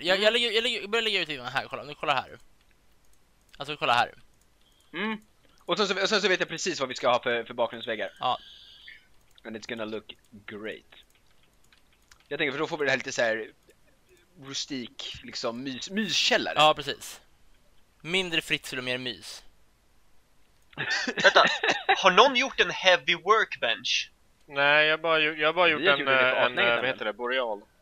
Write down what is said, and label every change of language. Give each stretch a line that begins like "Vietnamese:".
Swedish: Jag börjar lägga ut den här, kolla. Nu kolla här. Alltså kolla här. Och sen så vet jag precis vad vi ska ha för bakgrundsväggar. Ja.
English: And it's gonna look great.
Swedish: Jag tänker för då får vi det här lite så här rustik liksom myskällare. Ja, precis. Mindre fritzel och mer mys. Vänta, har någon gjort en heavy workbench? Nej, jag bara gjort en vad heter det, boreal.